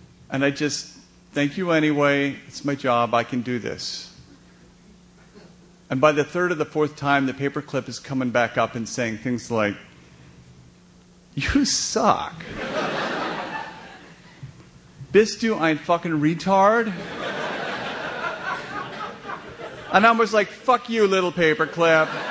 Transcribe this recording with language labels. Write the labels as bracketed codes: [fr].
[en] And I just, thank you anyway, it's my job, I can do this. And by the third or the fourth time, the paperclip is coming back up and saying things like, you suck. [de] Bist du ein fucking retard? [en] And I was like, fuck you, little paperclip.